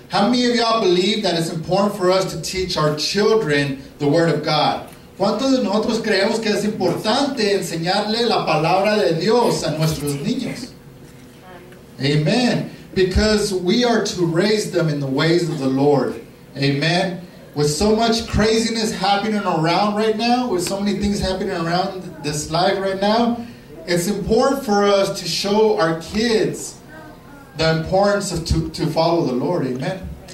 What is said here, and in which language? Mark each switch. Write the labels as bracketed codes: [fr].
[en] How many of y'all believe that it's important for us to teach our children the Word of God? [es] ¿Cuántos de nosotros creemos que es importante enseñarle la palabra de Dios a nuestros niños? [en] Amen. Because we are to raise them in the ways of the Lord. Amen. With so much craziness happening around right now, with so many things happening around this life right now, it's important for us to show our kids the importance of to follow the Lord. Amen.